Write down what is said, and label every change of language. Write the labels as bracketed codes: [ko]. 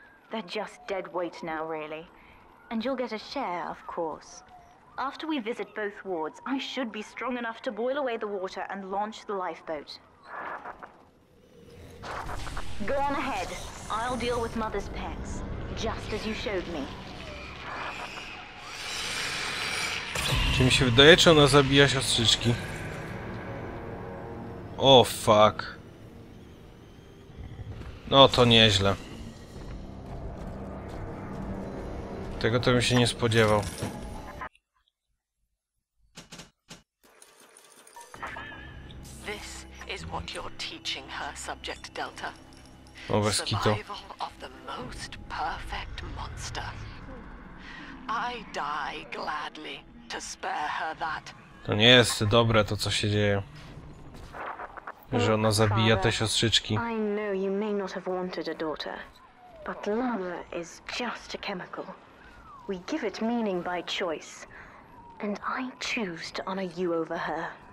[en] They're just dead weight now, really. And you'll get a share, of course. After we visit both wards, I should be strong enough to boil away the water and launch the lifeboat. Go on ahead. I'll deal with mother's pets, just as you showed me. [pl] Czy mi się wydaje, czy ona zabija siostrzyczki? [en] O, fuck. [pl] No to nieźle. Tego to bym się nie spodziewał. [en] This is what you're teaching her, subject Delta. [pl] O, bez kitu. [en] Survival of the most perfect monster. I die gladly to spare her that. [pl] To nie jest dobre to, co się dzieje. Że ona zabija te siostrzyczki. [en] I know you may not have wanted a daughter, but love is just a chemical. We give it meaning by choice, and I choose to honor you over her.